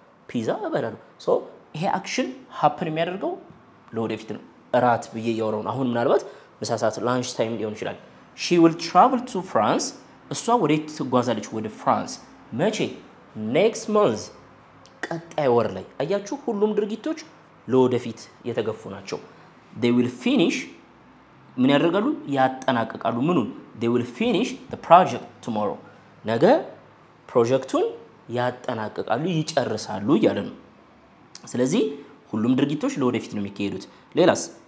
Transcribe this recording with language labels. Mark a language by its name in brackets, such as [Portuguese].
[Amharic] ፒዛ እበላለሁ። ሶ ይሄ አክሽን ሀፕን የሚያደርገው ለወደፊት ነው። እራት ብዬ እያወራሁ አሁን ምናልባት ምሳ ሰዓት ላንች ታይም ሊሆን ይችላል። [English] ሺ ዊል ትራቭል ቱ ፍራንስ፣ [Amharic] እሷ ወዴት ትጓዛለች? ወደ ፍራንስ። መቼ? [English] Next month. [Amharic] ቀጣይ ወር ላይ። አያችሁ ሁሉም ድርጊቶች ለወደፊት የተገፉ ናቸው። [English] They will finish. [Amharic] ምን ያደርጋሉ? ያጠናቀቃሉ ምኑን? [English] They will finish the project tomorrow. [Amharic] ነገ ፕሮጀክቱን ያጠናቀቃሉ ይጨርሳሉ ይላል ነው። ስለዚህ ሁሉም ድርጊቶች ለወደፊት ነው የሚካሄዱት። ሌላስ?